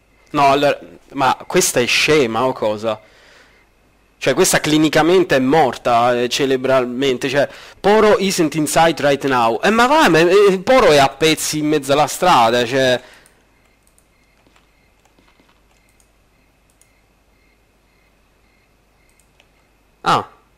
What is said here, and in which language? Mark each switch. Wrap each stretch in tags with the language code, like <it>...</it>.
<it>No, allora, ma questa è scema o cosa? Cioè, questa clinicamente è morta, cerebralmente.</it> <en>Cioè, Poro isn't inside right now.</en> <it>Ma va, ma Poro è a pezzi in mezzo alla strada, cioè. Ah.</it>